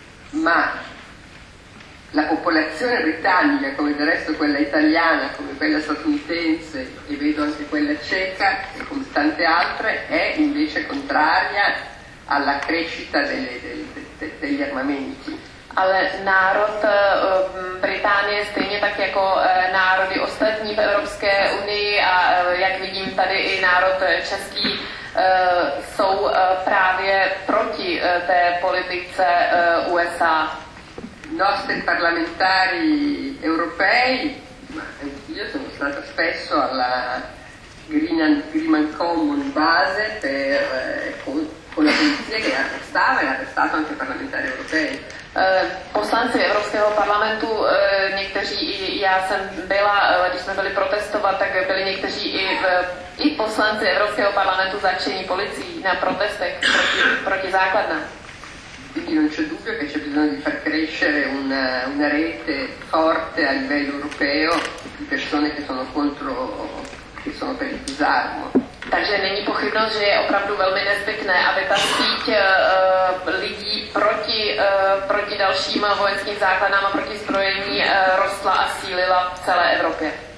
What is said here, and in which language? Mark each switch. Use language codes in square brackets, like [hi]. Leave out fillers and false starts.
[it] Ma la popolazione britannica, come del resto quella italiana, come quella statunitense e vedo anche quella ceca e come tante altre, è invece contraria alla crescita degli armamenti. [cs] Ale národ Británie, stejně tak jako národy ostatní v Evropské unii a jak vidím tady i národ český, jsou právě proti té politice USA. [it] Nostri parlamentari europei, io sono stata spesso alla Green and Common base con la polizia che arrestava e arrestato anche parlamentari europei. [cs] Poslanci Evropského parlamentu, někteří i já jsem byla, když jsme byli protestovat, tak byli někteří i poslanci Evropského parlamentu zatčení policií na protestech proti základnám. [it] Quindi non c'è dubbio che c'è bisogno di far crescere una rete forte a livello europeo di persone che sono contro, che sono per il disarmo. [cs] Takže není pochybnost, že je opravdu velmi nezbytné, aby ta síť lidí proti dalším vojenským základnám a proti zbrojení rostla a sílila v celé Evropě.